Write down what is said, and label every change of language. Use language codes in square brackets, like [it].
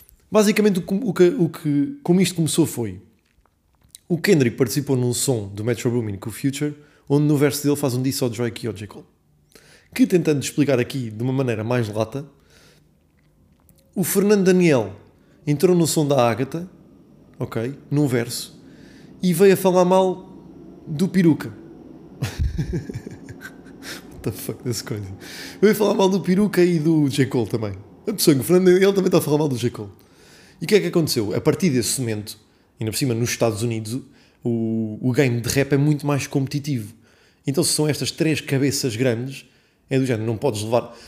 [pt] Basicamente, o que como isto começou foi, o Kendrick participou num som do Metro Boomin com o Future, onde no verso dele faz um diss ao Drake e ao J. Cole. Que, tentando explicar aqui de uma maneira mais lata, o Fernando Daniel entrou no som da Agatha, ok, num verso, e veio a falar mal do peruca. [en] What the fuck, that's crazy. [pt] Veio a falar mal do peruca e do J. Cole também. A pessoa, o Fernando Daniel também está a falar mal do J. Cole. E o que é que aconteceu? A partir desse momento, ainda por cima nos Estados Unidos, o game de rap é muito mais competitivo. Então, se são estas três cabeças grandes, é do género, não podes levar.